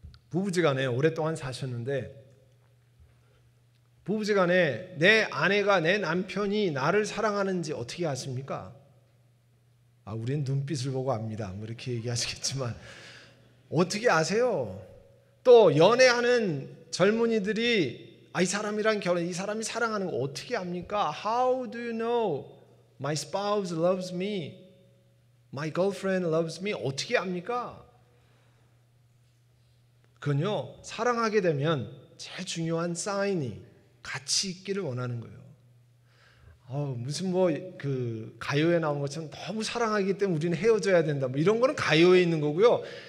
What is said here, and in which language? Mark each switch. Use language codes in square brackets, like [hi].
[ko] 부부지간에 오랫동안 사셨는데 부부지간에 내 아내가 내 남편이 나를 사랑하는지 어떻게 아십니까? 아, 우리는 눈빛을 보고 압니다. 뭐 이렇게 얘기하시겠지만 어떻게 아세요? 또 연애하는 젊은이들이 아, 이 사람이랑 결혼, 이 사람이 사랑하는 거 어떻게 합니까? [en] How do you know my spouse loves me? My girlfriend loves me? [ko] 어떻게 합니까? 그건요, 사랑하게 되면 제일 중요한 사인이 같이 있기를 원하는 거예요. 무슨 뭐 그 가요에 나온 것처럼 너무 사랑하기 때문에 우리는 헤어져야 된다 뭐 이런 거는 가요에 있는 거고요.